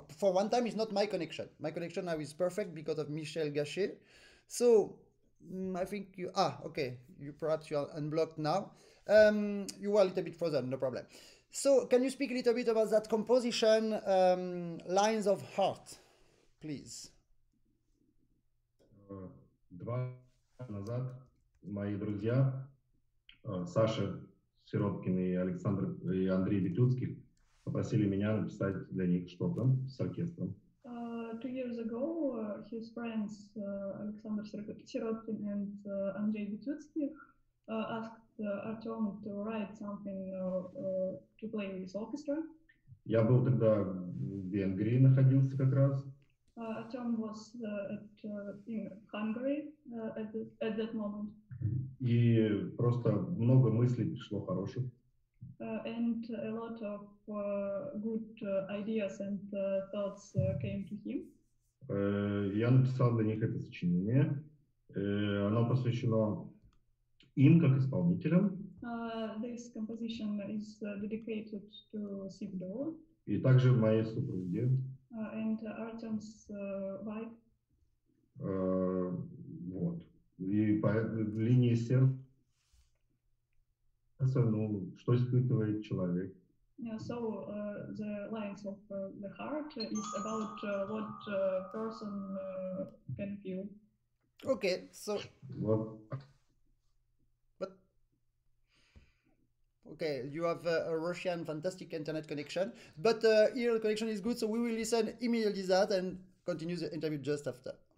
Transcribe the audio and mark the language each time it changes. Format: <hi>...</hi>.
<en>For one time, it's not my connection. My connection now is perfect because of Michel Gachet. So I think you, okay. You are unblocked now. You were a little bit frozen, no problem. So can you speak a little bit about that composition, Lines of Heart, please?</en> <ru>Два назад мои друзья, Саша Сиропкин и Александр и Андрей Битюцкий, попросили меня написать для них что-то с оркестром.</ru> <en>2 years ago, his friends Alexander Sirotkin and Andrei Bitutskikh asked Artem to write something to play in this orchestra.</en> <ru>Я был тогда в Венгрии, находился как раз.</ru> <en>Artem was in Hungary at that moment.</en> <ru>И просто много мыслей пришло хороших.</ru> <en>And a lot of good ideas and thoughts came to him.</en> <ru>Я написал для них это сочинение. Оно посвящено им как исполнителям.</ru> <en>This composition is dedicated to Sib Duo.</en> <ru>И также моей супруге.</ru> <en>And Artem's wife.</en> <ru>Вот. И по линии сердца. Ну, что испытывает человек.</ru> <en>Yeah, so the lines of the heart is about what person can feel. Okay, so what? Okay, you have a Russian fantastic internet connection, but here the connection is good, so we will listen immediately to that and continue the interview just after.</en>